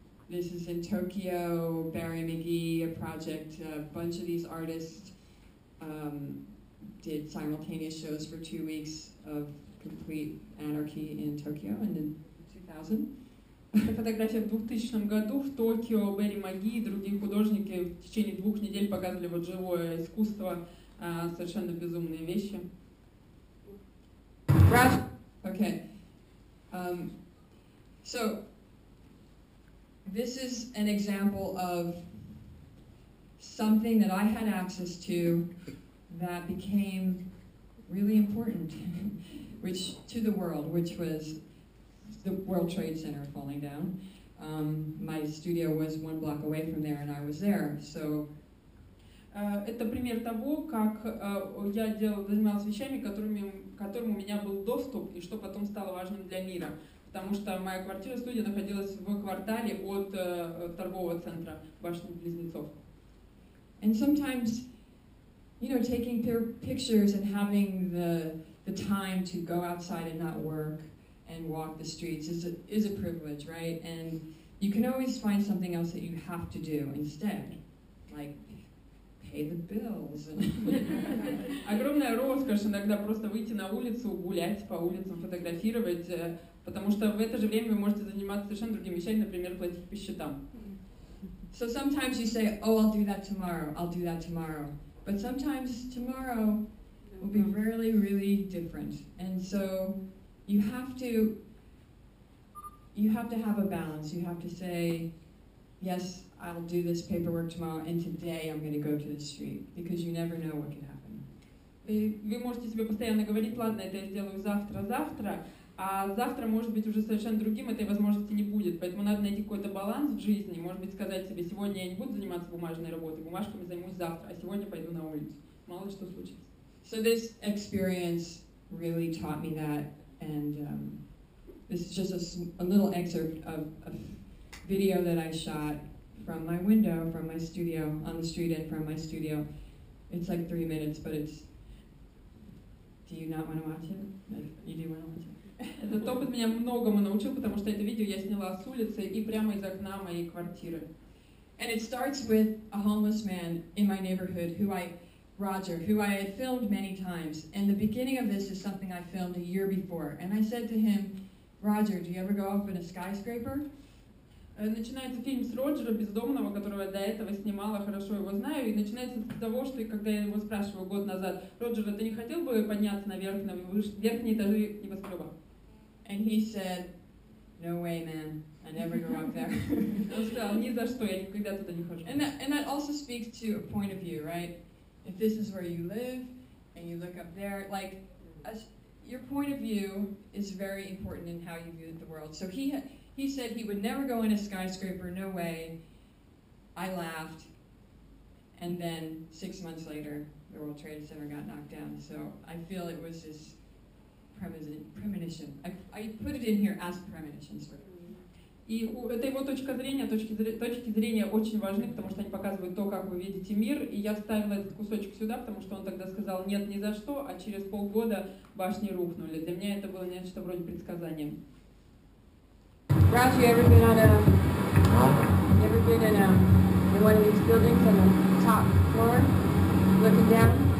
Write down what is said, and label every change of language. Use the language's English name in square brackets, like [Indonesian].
[English] This is in Tokyo, Barry McGee, a project. A bunch of these artists did simultaneous shows for 2 weeks of complete anarchy in Tokyo and in 2000. [Russian] Фотография в 2000 году в Токио, Барри Маги и другие художники в течение двух недель показывали вот живое искусство, совершенно безумные вещи. [English] Okay. So this is an example of something that I had access to that became really important, which to the world, which was the World Trade Center falling down. My studio was one block away from there, and I was there. So, [Russian] это пример того, как я занимался вещами, которым у меня был доступ, и что потом стало важным для мира. Потому что моя квартира, студия находилась в квартале от торгового центра башни Близнецов. [English] And sometimes, you know, taking pictures and having the time to go outside and not work and walk the streets is a privilege, right? And you can always find something else that you have to do instead, like pay the bills. [Russian] Огромная роскошь иногда просто выйти на улицу, гулять по улицам, фотографировать. Потому что в это же время вы можете заниматься совершенно другими вещами, например, платить по счетам. [English] So sometimes you say, oh, I'll do that tomorrow, I'll do that tomorrow. But sometimes tomorrow will be really, really different. And so you have to have a balance. You have to say, yes, I'll do this paperwork tomorrow, and today I'm going to go to the street. Because you never know what can happen. [Russian] Вы можете себе постоянно говорить, ладно, это я сделаю завтра, завтра. А завтра может быть уже совершенно другим, этой возможности не будет. Поэтому надо найти какой-то баланс в жизни. Может быть, сказать себе, сегодня я не буду заниматься бумажной работой, бумажками займусь завтра, а сегодня пойду на улицу. Мало ли что случится. [English] So this experience really taught me that. And this is just a little excerpt of a video that I shot from my window, from my studio, on the street and from my studio. It's like 3 minutes, but it's... Do you not want to watch it? You do want to watch it? [Russian] Этот опыт меня многому научил, потому что это видео я сняла с улицы и прямо из окна моей квартиры. [English] And it starts with a homeless man in my neighborhood, who I had filmed many times. And the beginning of this is something I filmed a year before. And I said to him, Roger, do you ever go up in a skyscraper? [Russian] Начинается фильм с Роджера, бездомного, которого я до этого снимала, хорошо его знаю. И начинается с того, что когда я его спрашиваю год назад, Роджер, ты не хотел бы подняться наверх, на верхние этажи небоскреба? [English] And he said, no way, man, I never go up there. [Russian] Он сказал, ни за что, я никогда туда не хожу. [English] And that also speaks to a point of view, right? If this is where you live, and you look up there, like, your point of view is very important in how you view the world. So he said he would never go in a skyscraper, no way. I laughed. And then 6 months later, the World Trade Center got knocked down. So I feel it was this premonition. I put it in here as premonition. [Russian] И это его точка зрения, точки зрения очень важны, потому что они показывают то, как вы видите мир. И я вставила этот кусочек сюда, потому что он тогда сказал нет ни за что, а через полгода башни рухнули. Для меня это было нечто вроде предсказания. [English] Raj, you ever been on a... You ever been in one of these buildings on the top floor, looking down?